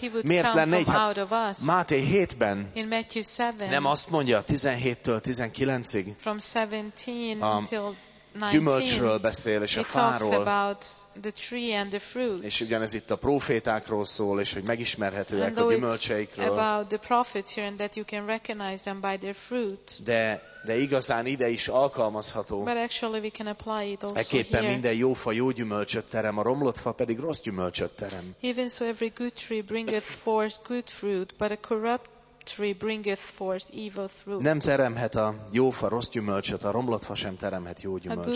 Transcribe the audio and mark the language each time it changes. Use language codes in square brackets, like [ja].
[hu] Miért lenne egy Máté 7-ben [en] in Matthew 7, [hu] nem azt mondja 17-től 19-ig [en] from 17 a until 19, [hu] gyümölcsről beszél és a fáról. [en] The tree and the fruit. [hu] És ugyanez itt a prófétákról szól, és hogy megismerhetőek a gyümölcseikről. [en] About the prophets here and that you can recognize them by their fruit. [hu] De igazán ide is alkalmazható. [en] But actually we can apply it also [hu] eképpen [en] here. [hu] Minden jó fa jó gyümölcsöt terem, a romlott fa pedig rossz gyümölcsöt terem. [en] Even so every good tree bringeth forth good fruit, but a corrupt tree bringeth forth evil fruit. [hu] Nem teremhet a jófa rossz gyümölcsöt, a romlott fa sem teremhet jó gyümölcsöt.